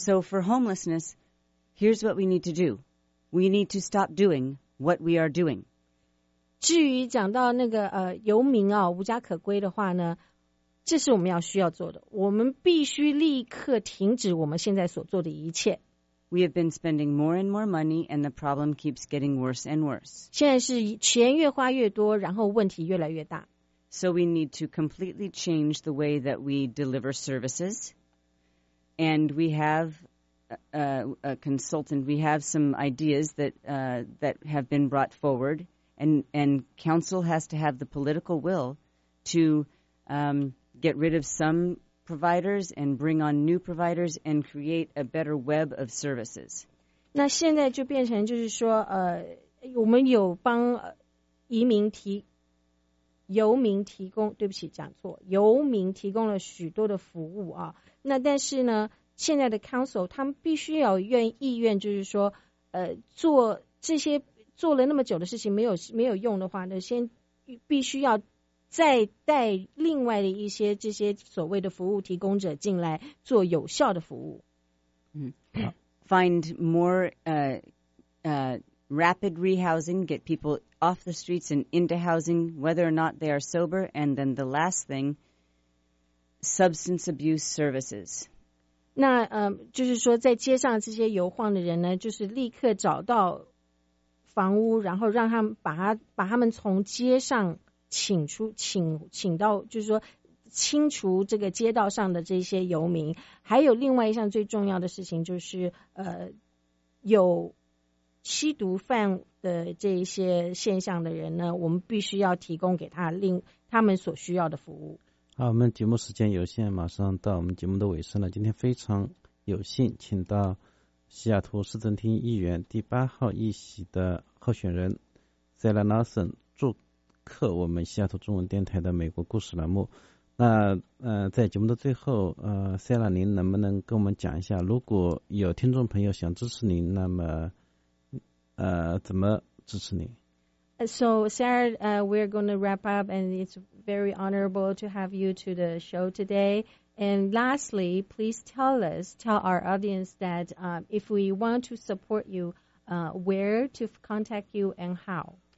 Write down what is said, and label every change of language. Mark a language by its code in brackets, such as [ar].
[en] So for homelessness, here's what we need to do. We need to stop doing. What we are doing. [zh] 至于讲到那个游民啊，无家可归的话呢，这是我们要需要做的。我们必须立刻停止我们现在所做的一切。 [en] We have been spending more and more money, and the problem keeps getting worse and worse. [zh] 现在是钱越花越多，然后问题越来越大。 [en] So we need to completely change the way that we deliver services, and we have. A consultant, we have some ideas that have been brought forward, and council has to have the political will to get rid of some providers and bring on new providers and create a better web of services. [zh] 那现在就变成就是说我们有帮游民提供了许多的服务啊，那但是呢现在的 council 他们必须要有意愿，就是说做这些做了那么久的事情没有用的话呢，先必须要再带另外的一些这些所谓的服务提供者进来做有效的服务。 [en] Find more rapid rehousing, get people off the streets and into housing, whether or not they are sober, and then the last thing, substance abuse services. [zh] 那就是说在街上这些游晃的人呢，就是立刻找到房屋，然后让他们把他们从街上请到，就是说清除这个街道上的这些游民。还有另外一项最重要的事情，就是有吸毒犯的这些现象的人呢，我们必须要提供给他们所需要的服务。好，我们节目时间有限，马上到我们节目的尾声了。今天非常有幸请到西雅图市政厅议员第八号议席的候选人 Zella Nelson 祝贺我们西雅图中文电台的美国故事栏目。那在节目的最后Zella， 您能不能跟我们讲一下，如果有听众朋友想支持您，那么怎么支持您？ [en] So, Sarah, we're going to wrap up, and it's very honorable to have you to the show today. And lastly, please tell our audience that if we want to support you, where to contact you and how.